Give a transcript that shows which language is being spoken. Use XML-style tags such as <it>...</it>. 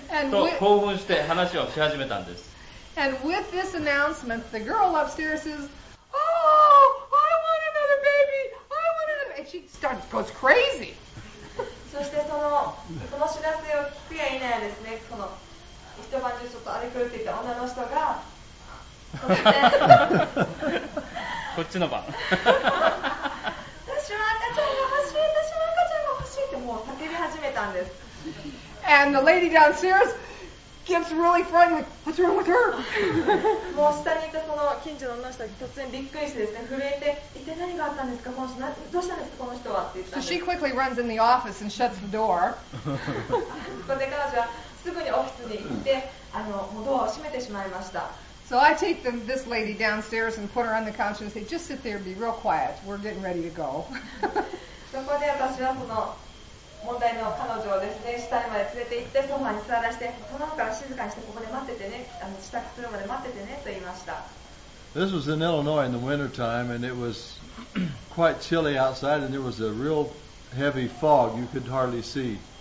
<ja>と興奮して話をし始めたんです。</ja> <en>And with this announcement, the girl upstairs says,She starts goes crazy.</en> <ja>そしてその知らせを聞くや否やですね、その一晩中ちょっと荒れ狂っていた女の人が、こっちこっちの番。私は赤ちゃんが欲しい、私は赤ちゃんが欲しいってもう叫び始めたんです。</ja> <en>And the lady downstairs gets really frightened. What's wrong with her?</en> <ja>もう下にいたその近所の女の人が突然びっくりしてですね、震えて、一体何があったんですか、この人、どうしたんですか、この人はって言ったんです。</ja> <en>So she quickly runs in the office and shuts the door.</en> <ja>そこで彼女はすぐにオフィスに行って、あの、もうドアを閉めてしまいました。</ja> <en>So I take this lady downstairs and put her on the couch and say, just sit there, be real quiet. We're getting ready to go.</en> <ja>そこで私はその問題の彼女をですね、下にまで連れて行って、ソファに座らせて、その方から静かにして、ここで待っててね、あの、支度するまで待っててね、と言いました。</ja> <en>This was in Illinois in the winter time, and it was quite chilly outside, and there was a real heavy fog you could hardly see.</en>